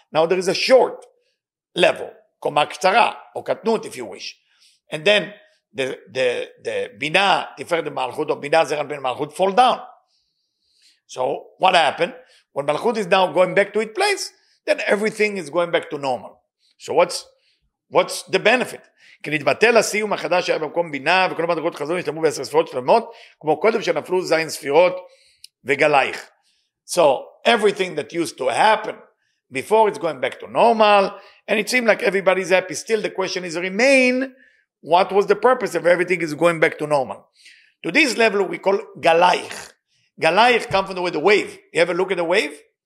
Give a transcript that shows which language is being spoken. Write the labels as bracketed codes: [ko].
[en] Now there is a short level, koma k'tara, or katnut, if you wish. And then the bina, the malchut of bina, zeran ben malchut, fall down. So what happened? When malchut is now going back to its place, then everything is going back to normal. So what's the benefit? [he] כנתבטל הסיום החדש שהיה במקום בינה, וכל המדרגות חזרו נשתמו בעשר ספירות שלמות, כמו קודם שנפלו זין ספירות וגלייך. [en] So everything that used to happen before, it's going back to normal, and it seemed like everybody's happy. Still, the question is remain, what was the purpose of everything is going back to normal? To this level, we call galaich. Galaich comes from the word wave. You ever look at a wave?